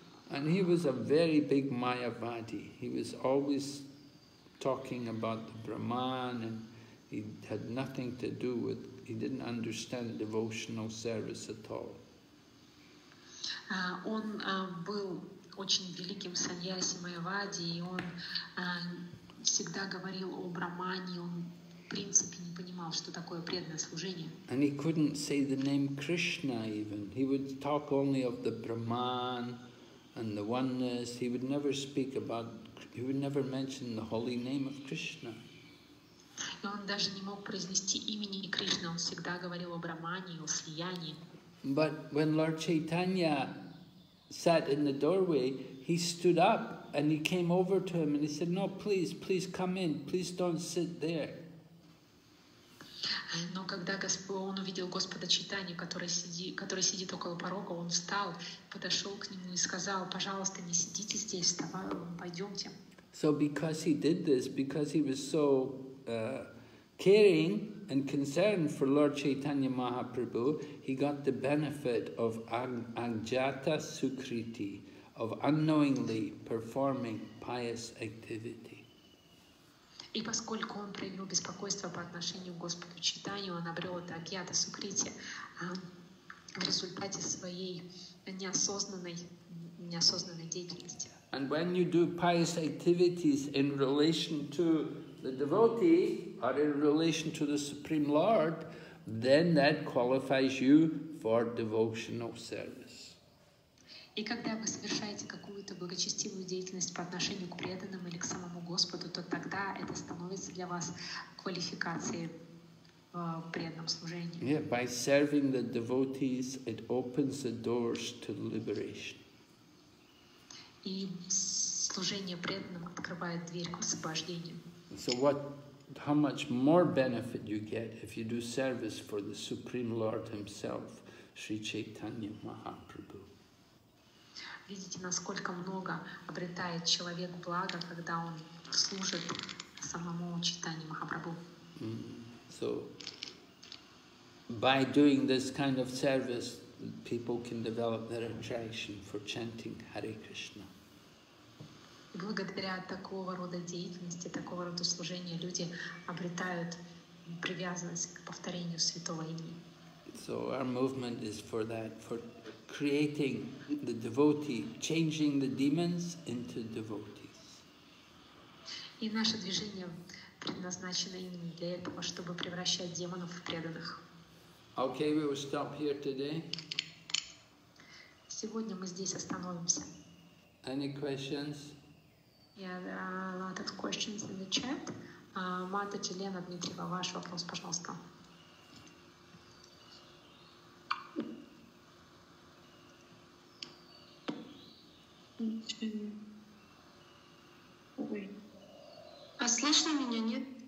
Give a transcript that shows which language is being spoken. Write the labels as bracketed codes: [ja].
[en] And he was a very big Mayavadi. He was always talking about the Brahman, and he had nothing to do with, he didn't understand devotional service at all. [ru] Он был очень великим саньяси Майявади, и он всегда говорил о Брамане, он в принципе не понимал, что такое преданное служение. [en] And he couldn't say the name Krishna even. He would talk only of the Brahman and the oneness. He would never speak about, he would never mention the holy name of Krishna. [ru] И он даже не мог произнести имени Кришны, он всегда говорил о Брамане, о слиянии. [en] But when Lord Chaitanya sat in the doorway, he stood up and he came over to him and he said, no, please, please come in, please don't sit there. [ru] Но когда он увидел Господа Чайтанью, который сидит около порога, он встал, подошел к нему и сказал, пожалуйста, не сидите здесь, пойдемте. [en] So because he did this, because he was so caring and concerned for Lord Chaitanya Mahaprabhu, he got the benefit of Anjata Sukriti, of unknowingly performing pious activity. [ru] И поскольку он проявил беспокойство по отношению к Господу Чайтанью, он обрел это Агьята Сукрити в результате своей неосознанной деятельности. [en] And when you do pious activities in relation to the devotee or in relation to the Supreme Lord, then that qualifies you for devotional service. [ru] И когда вы совершаете какую-то благочестивую деятельность по отношению к преданным или к самому Господу, то тогда это становится для вас квалификацией в преданном служении. [en] Yeah, by serving the devotees, it opens the doors to liberation. [ru] И служение преданным открывает дверь к освобождению. [en] So what, how much more benefit you get if you do service for the Supreme Lord Himself, Sri Chaitanya Mahaprabhu. [ru] Видите, насколько много обретает человек блага, когда он служит самому Чайтанье Махапрабху. [en] So, by doing this kind of service, people can develop their attraction for chanting Hare Krishna. [ru] Благодаря такого рода деятельности, такого рода служения, люди обретают привязанность к повторению святого имени. [en] So our movement is for that, for creating the devotee, changing the demons into devotees. [ru] И наше движение предназначено именно для этого, чтобы превращать демонов в преданных. [en] Okay, we will stop here today. [ru] Сегодня мы здесь остановимся. [en] Any questions? Yeah, there are a lot of questions in the chat. [ru] Матаджи, Лена Дмитриева, ваш вопрос, пожалуйста. А слышно меня, нет?